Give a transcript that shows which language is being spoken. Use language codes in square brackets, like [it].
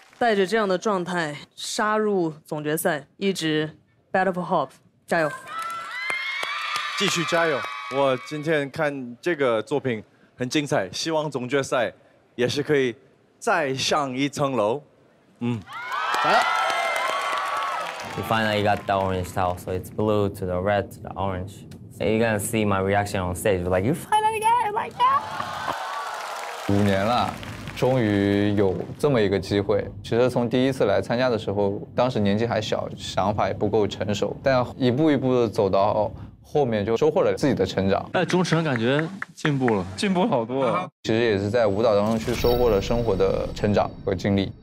[zh] 带着这样的状态杀入总决赛，一直 [en] battle for hope， [zh] 加油！继续加油！我今天看这个作品很精彩，希望总决赛也是可以再上一层楼。来了。 [en] We finally got the orange towel, so it's blue to the red to the orange. You're gonna see my reaction on stage, like you finally got it like that. [zh] 五年了。终于有这么一个机会。其实从第一次来参加的时候，当时年纪还小，想法也不够成熟，但一步一步的走到后面，就收获了自己的成长。哎，钟晨感觉进步了，进步好多了。其实也是在舞蹈当中去收获了生活的成长和经历。